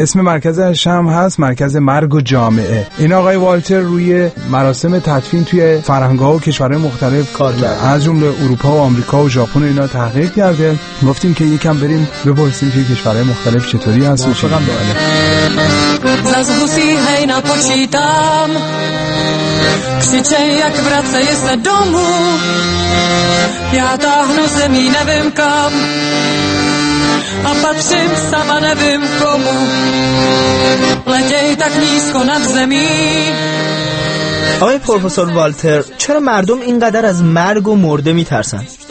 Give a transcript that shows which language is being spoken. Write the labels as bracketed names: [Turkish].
[Persian] اسم مرکزش هم هست مرکز مرگ و جامعه. این آقای والتر روی مراسم تدفین توی فرهنگ‌ها و کشورهای مختلف کار کرده، از جمله اروپا و آمریکا و ژاپن و اینا تحقیق کرده. گفتیم که یکم بریم بپرسیم که کشورهای مختلف چطوری هست و چقدر داره. [Czech] Zas husí hejna počítám, křiče jak vracej se domů, já táhnu zemí nevím kam a patřím sama nevím komu. Letěj tak nízko nad zemí. [Persian] آقای پروفسور والتر، چرا مردم اینقدر از مرگ و مرده میترسن؟